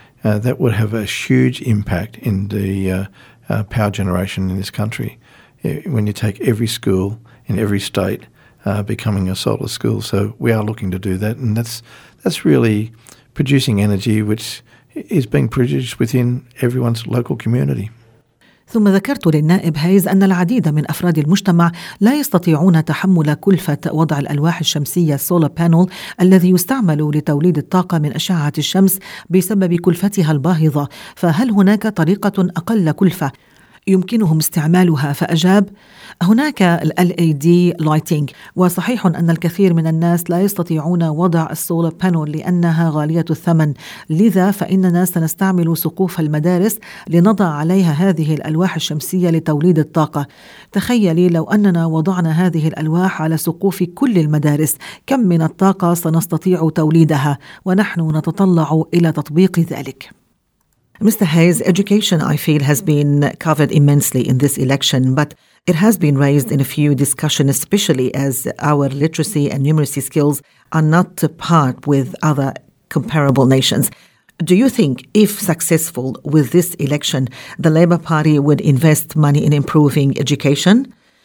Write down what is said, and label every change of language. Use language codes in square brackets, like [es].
[en] That would have a huge impact in the power generation in this country when you take every school in every state becoming a solar school. So we are looking to do that, and that's really producing energy which is being produced within everyone's local community. [ar] ثم ذكرت للنائب هايز أن العديد من أفراد المجتمع لا يستطيعون تحمل كلفة وضع الألواح الشمسية solar panel الذي يستعمل لتوليد الطاقة من أشعة الشمس بسبب كلفتها الباهظة، فهل هناك طريقة أقل كلفة يمكنهم استعمالها؟ فأجاب: هناك الـ LED lighting، وصحيح أن الكثير من الناس لا يستطيعون وضع السولار بانول لأنها غالية الثمن، لذا فإننا سنستعمل سقوف المدارس لنضع عليها هذه الألواح الشمسية لتوليد الطاقة. تخيلي لو أننا وضعنا هذه الألواح على سقوف كل المدارس، كم من الطاقة سنستطيع توليدها؟ ونحن نتطلع إلى تطبيق ذلك. [en] Mr. Hayes, education, I feel, has been covered immensely in this election, but it has been raised in a few discussions, especially as our literacy and numeracy skills are not to par with other comparable nations. Do you think, if successful with this election, the Labour Party would invest money in improving education?